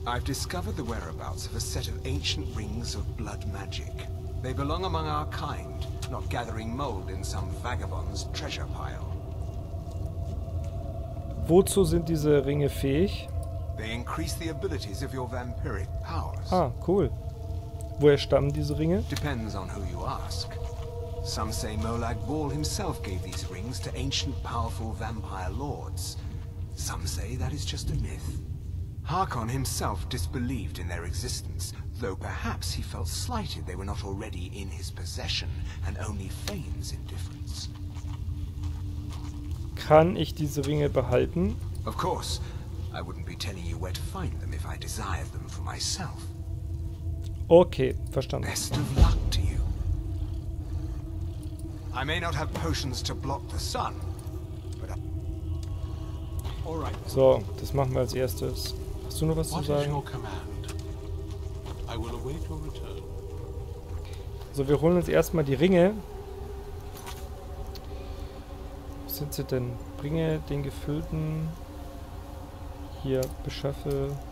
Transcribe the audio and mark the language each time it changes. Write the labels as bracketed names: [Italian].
[English] I've discovered the whereabouts of a set of ancient rings of blood magic. They belong among our kind, not gathering mold in some vagabond's treasure pile. [German] Wozu sind diese Ringe fähig? [English] They increase the abilities of your vampiric powers. Ah, cool. [German] Woher stammen diese Ringe? [English] Depends on who you ask. Some say Molag Bal himself gave these rings to ancient powerful vampire lords. Some say that is just a myth. Harkon himself disbelieved in their existence, though perhaps he felt slighted they were not already in his possession and only feigns indifference. [German] Kann ich diese Ringe behalten? [English] Of course. I wouldn't be telling you where to find them if I desired them for myself. [German] Okay, verstanden. [English] Best of luck to you. I may not have potions to block the sun. [German] So, das machen wir als erstes. Hast du noch was zu sagen? So, wir holen uns erstmal die Ringe. Wo sind sie denn? Bringe den gefüllten. Hier, beschaffe.